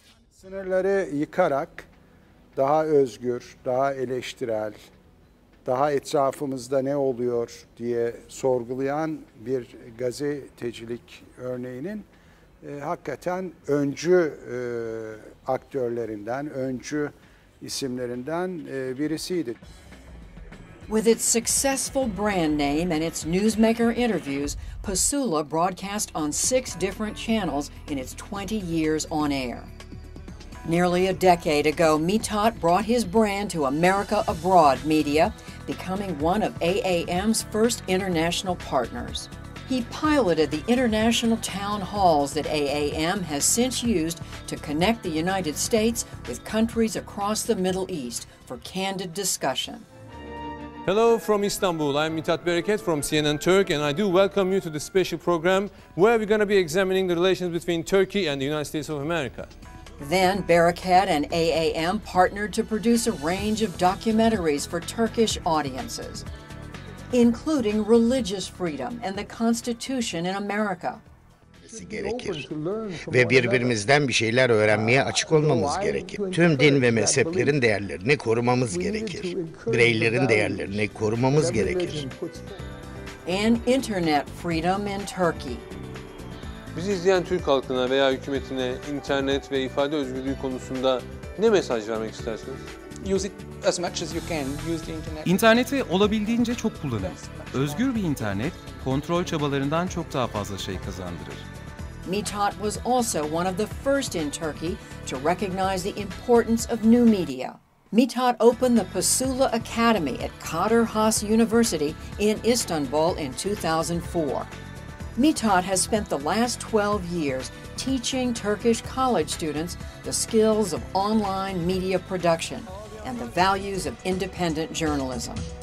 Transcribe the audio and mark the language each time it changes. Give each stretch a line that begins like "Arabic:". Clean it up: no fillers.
Turkish: Sınırları yıkarak daha özgür, daha eleştirel, daha etrafımızda ne oluyor diye sorgulayan bir gazetecilik örneğinin hakikaten öncü aktörlerinden, öncü isimlerinden birisiydi.
English: With its successful brand name and its newsmaker interviews, Pusula broadcast on 6 different channels in its 20 years on air. Nearly a decade ago, Mithat brought his brand to America Abroad Media, becoming one of AAM's first international partners. He piloted the international town halls that AAM has since used to connect the United States with countries across the Middle East for candid discussion. Hello from Istanbul. I'm Mithat Bereket from CNN Turk, and I do welcome you to this special program where we're going to be examining the relations between Turkey and the United States of America. Then Bereket and AAM partnered to produce a range of documentaries for Turkish audiences, including religious freedom and the Constitution in America.
Turkish: Gerekir. Ve birbirimizden bir şeyler öğrenmeye açık olmamız gerekir. Tüm din ve mezheplerin değerlerini korumamız gerekir. Bireylerin değerlerini korumamız gerekir.
English: And internet freedom in Turkey.
Turkish: Bizi izleyen Türk halkına veya hükümetine internet ve ifade özgürlüğü konusunda ne mesaj vermek istersiniz?
English: Use it as much as you can. Use the internet.
Turkish: İnterneti olabildiğince çok kullanın. Özgür bir internet kontrol çabalarından çok daha fazla şey kazandırır.
English: Mithat was also one of the first in Turkey to recognize the importance of new media. Mithat opened the Pusula Academy at Kadir Has University in Istanbul in 2004. Mithat has spent the last 12 years teaching Turkish college students the skills of online media production and the values of independent journalism.